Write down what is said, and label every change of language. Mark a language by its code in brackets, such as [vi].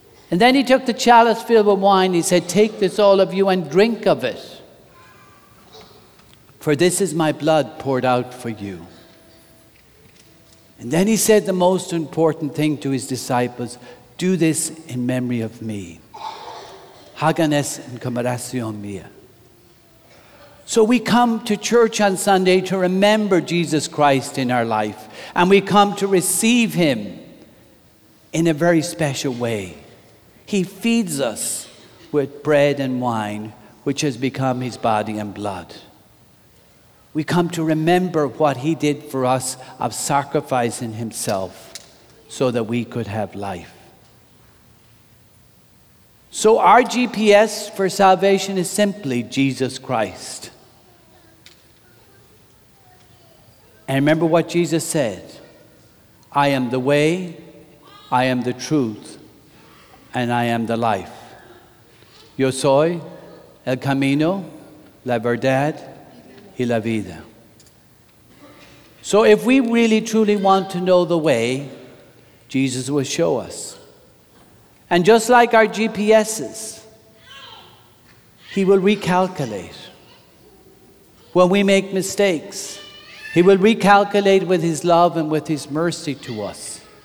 [en] And then he took the chalice filled with wine. He said, "Take this, all of you, and drink of it. For this is my blood poured out for you." And then he said the most important thing to his disciples, "Do this in memory of me. [es] Hagan es en conmemoración mía." [en] So we come to church on Sunday to remember Jesus Christ in our life. And we come to receive him in a very special way. He feeds us with bread and wine, which has become his body and blood. We come to remember what he did for us of sacrificing himself so that we could have life. So our GPS for salvation is simply Jesus Christ. And remember what Jesus said, "I am the way, I am the truth, and I am the life. [es] Yo soy el camino, la verdad y la vida." [en] So if we really truly want to know the way, Jesus will show us. And just like our GPSs, he will recalculate. When we make mistakes, he will recalculate with his love and with his mercy to us.